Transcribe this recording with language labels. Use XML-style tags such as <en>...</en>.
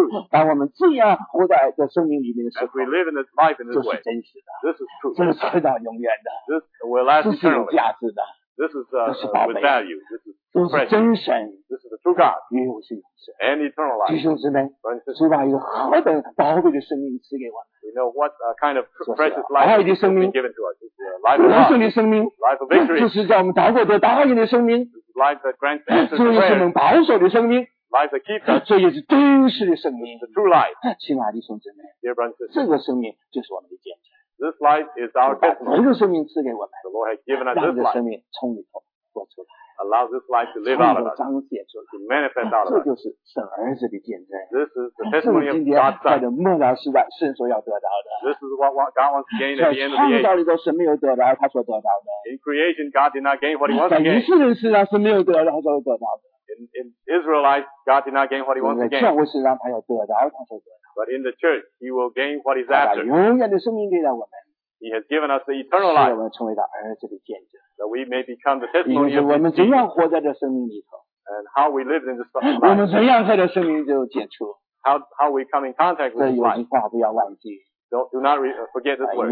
<zh>当我们这样活在这生命里面的时候，这是真实的，</zh> <en>this is true.</en> <zh>这是存到永远的，</zh> <en>this will last eternally.</en> <zh>这是有价值的，</zh> <en>this is,</en> <zh>这是宝贝，</zh> <en>with value. This is</en> <zh>这是真神，</zh> <en>this is the true God.</en> <zh>因为我是永生，</zh> <en>and eternal life.</en> <zh>弟兄姊妹，主把一个何等宝贵的生命赐给我们，</zh> <en>you know what kind of precious life has been given to us. This is a life of love, life of victory.</en> <zh>这是叫我们祷告得答应的生命，</zh> <en>this is life that grants answers to prayer.</en> <zh>这是我们保守的生命，这也是真实的生命。</zh> <en>The true life.</en> <zh>亲爱的兄弟们，</zh> <en>Dear brothers,</en> <zh>这个生命就是我们的见证。</zh> <en>This life is our testimony.</en> <zh>这个生命赐给我们。</zh> <en>The Lord has given us this life.</en> <zh>让这生命从里头活出来。</zh> <en>Allow this life to live out of us.</en> <zh>彰显出来。</zh> <en>To manifest out of us.</en> <zh>这就是神儿子的见证。</zh> <en>This is the testimony of God's son.</en> <zh>在这末了时代，神所要得到的。</zh> <en>This is what God wants to gain at the end of the age.</en> <zh>在创造里头，神没有得到，他所得到的。</zh> <en>In creation, God did not gain what he wants to gain.</en> <zh>在以色列身上，神没有得到，他所得到的。</zh> <en>In Israelites, God did not gain what he wants to gain.</en> <zh>教会是让他要得到，他所得到。</zh> <en>But in the church, he will gain what he's after.</en> <zh>他把永远的生命给了我们。</zh> <en>He has given us the eternal life.</en> <zh>使我们成为他儿子的见证。</zh> <en>That we may become the testimony of Jesus.</en> <zh>我们怎样活在这生命里头？</zh> <en>And how we live in this life.</en> <zh>我们怎样在这生命里头结出？</zh> <en>How we come in contact with life.</en> <zh>这有句话不要忘记。</zh> <en>Do not forget this word.</en>